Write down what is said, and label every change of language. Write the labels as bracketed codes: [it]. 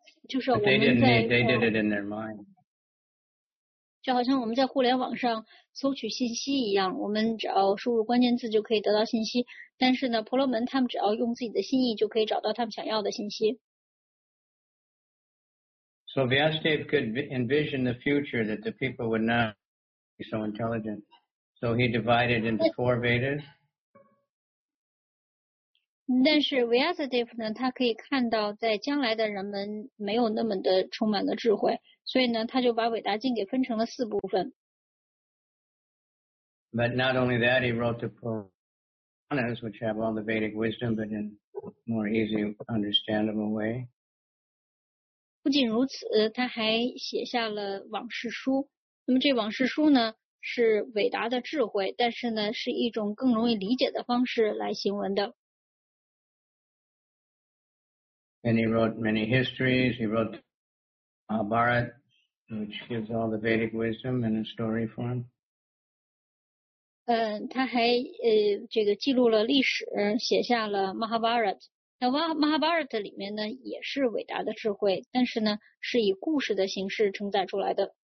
[zh] 就是我们 [en] 在 they did it in their mind. [zh] 就好像我们在互联网上搜取信息一样，我们只要输入关键字就可以得到信息，但是呢，婆罗门他们只要用自己的心意就可以找到他们想要的信息。 [en] So Vyasadeva could envision the future that the people would not be so intelligent. So he divided into four Vedas. [zh] 但是 Vyasadeva 呢，他可以看到在将来的人们没有那么的充满了智慧，所以呢，他就把伟达经给分成了四部分。 [en] But not only that, he wrote the Puranas, which have all the Vedic wisdom, but in a more easily understandable way. [zh] 不仅如此，他还写下了往事书。那么这往事书呢，是伟达的智慧，但是呢，是一种更容易理解的方式来行文的。 [en] And he wrote many histories. He wrote Mahabharata, which gives all the Vedic wisdom in a story form. [zh] 他还这个记录了历史，写下了 Mahabharata。那Mahabharata 里面呢，也是伟大的智慧，但是呢，是以故事的形式承载出来的。